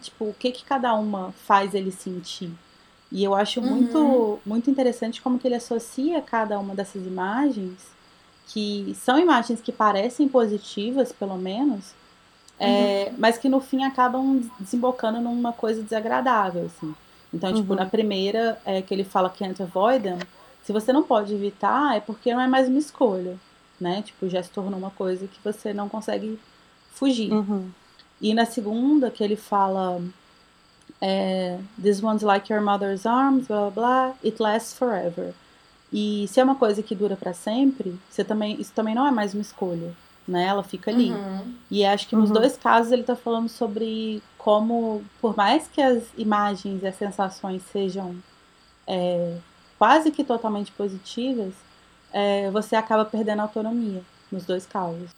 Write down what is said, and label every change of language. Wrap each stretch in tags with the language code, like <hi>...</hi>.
<pt>Tipo, o que que cada uma faz ele sentir. E eu acho muito, muito interessante como que ele associa cada uma dessas imagens, que são imagens que parecem positivas, pelo menos, mas que no fim acabam desembocando numa coisa desagradável, assim. Então, tipo, na primeira, que ele fala</pt> <en>can't avoid them,</en> <pt>se você não pode evitar, é porque não é mais uma escolha, né? Tipo, já se tornou uma coisa que você não consegue fugir. Uhum. E na segunda, que ele fala...</pt> <en>This one's like your mother's arms, blah, blah, blah. It lasts forever.</en> <pt>E se é uma coisa que dura pra sempre, você também, isso também não é mais uma escolha, né? Ela fica ali. Uhum. E acho que nos dois casos ele tá falando sobre como, por mais que as imagens e as sensações sejam quase que totalmente positivas, você acaba perdendo a autonomia nos dois casos.</pt>